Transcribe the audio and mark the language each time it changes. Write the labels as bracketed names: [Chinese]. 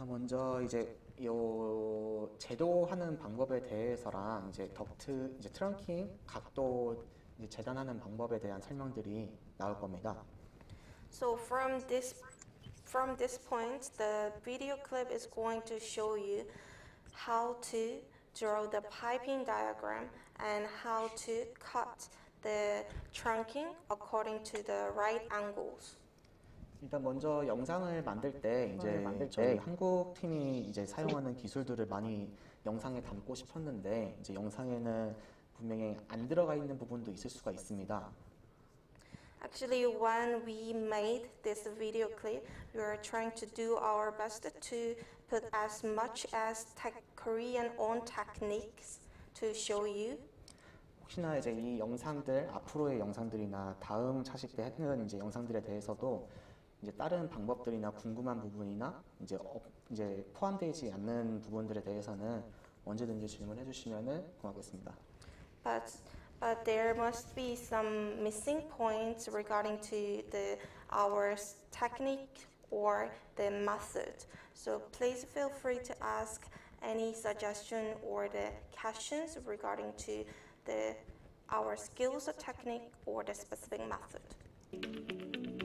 [Korean] So, 이제 요 제도하는 방법에 대해서랑 이제 덕트 이제 트렁킹 각도 이제 재단하는 방법에 대한 설명들이 나올 겁니다. [English] So from this point, the video clip is going to show you how to draw the piping diagram and how to cut the trunking according to the right angles. [Korean] 일단 먼저 영상을 만들 때 이제 한국 팀이 이제 사용하는 기술들을 많이 영상에 담고 싶었는데 이제 영상에는 분명히 안 들어가 있는 부분도 있을 수가 있습니다. [English] Actually, when we made this video clip, we were trying to do our best to put as much as Korean own techniques to show you. [Korean] 혹시나 이제 이 영상들 앞으로의 영상들이나 다음 차식 때 했던 이제 영상들에 대해서도 이제 다른 방법들이나 궁금한 부분이나 이제 포함되지 않는 부분들에 대해서는 언제든지 질문해 주시면은 고맙겠습니다. [English] But there must be some missing points regarding to our technique or the method. So please feel free to ask any suggestion or the questions regarding to our skills or technique or the specific method.